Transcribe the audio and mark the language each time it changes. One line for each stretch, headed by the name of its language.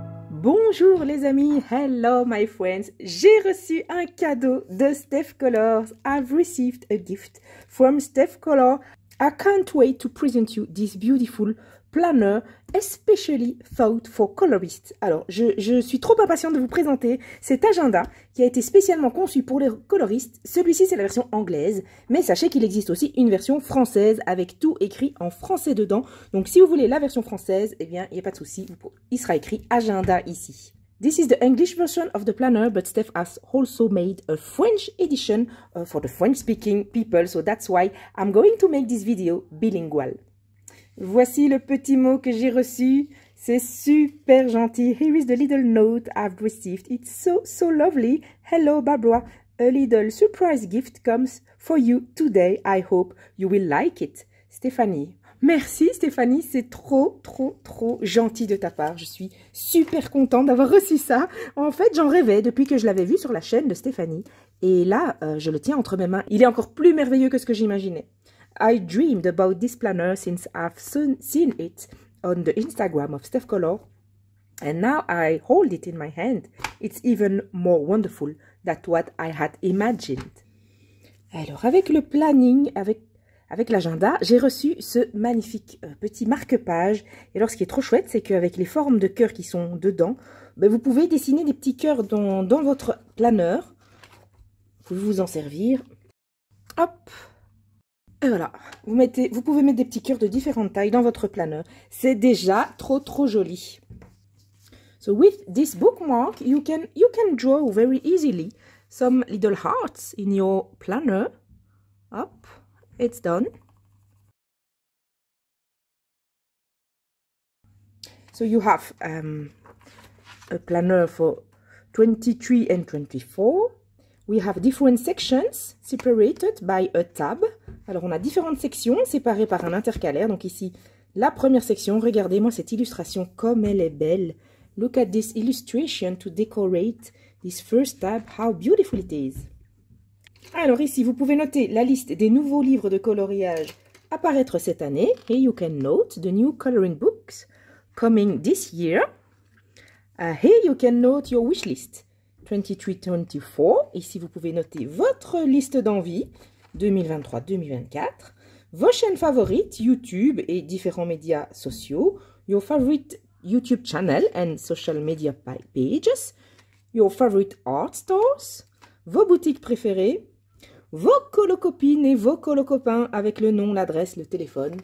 French: Bonjour les amis,
English: hello my friends,
French: j'ai reçu un cadeau de Steph Colors.
English: I've received a gift from Steph Colors. I can't wait to present you this beautiful planner, especially thought for colorists.
French: Alors, je suis trop impatiente de vous présenter cet agenda qui a été spécialement conçu pour les coloristes. Celui-ci, c'est la version anglaise, mais sachez qu'il existe aussi une version française avec tout écrit en français dedans. Donc, si vous voulez la version française, eh bien, il n'y a pas de souci. Il sera écrit agenda ici.
English: This is the English version of the planner, but Steph has also made a French edition for the French-speaking people. So that's why I'm going to make this video bilingual.
French: Voici le petit mot que j'ai reçu. C'est super gentil.
English: Here is the little note I've received. It's so lovely. Hello, Barbara. A little surprise gift comes for you today. I hope you will like it. Stéphanie.
French: Merci, Stéphanie. C'est trop gentil de ta part. Je suis super contente d'avoir reçu ça. En fait, j'en rêvais depuis que je l'avais vu sur la chaîne de Stéphanie. Et là, je le tiens entre mes mains. Il est encore plus merveilleux que ce que j'imaginais.
English: I dreamed about this planner since I've seen it on the Instagram of Steph Colors. And now I hold it in my hand. It's even more wonderful than what I had imagined.
French: Alors, avec le planning, avec l'agenda, j'ai reçu ce magnifique petit marque-page. Et alors, ce qui est trop chouette, c'est qu'avec les formes de cœurs qui sont dedans, ben, vous pouvez dessiner des petits cœurs dans votre planner. Vous pouvez vous en servir. Hop! Et voilà, vous pouvez mettre des petits cœurs de différentes tailles dans votre planeur. C'est déjà trop joli.
English: So with this bookmark, you can draw very easily some little hearts in your planner. Hop, it's done. So you have a planner for 23 and 24. We have different sections separated by a tab.
French: Alors, on a différentes sections séparées par un intercalaire. Donc ici, la première section, regardez-moi cette illustration, comme elle est belle.
English: Look at this illustration to decorate this first tab. How beautiful it is.
French: Alors ici, vous pouvez noter la liste des nouveaux livres de coloriage apparaître cette année.
English: Here you can note the new coloring books coming this year. Here you can note your wish list 23-24.
French: Ici, vous pouvez noter votre liste d'envie. 2023-2024, vos chaînes favorites, YouTube et différents médias sociaux,
English: your favorite YouTube channel and social media pages, your favorite art stores,
French: vos boutiques préférées, vos colocopines et vos colocopins avec le nom, l'adresse, le téléphone.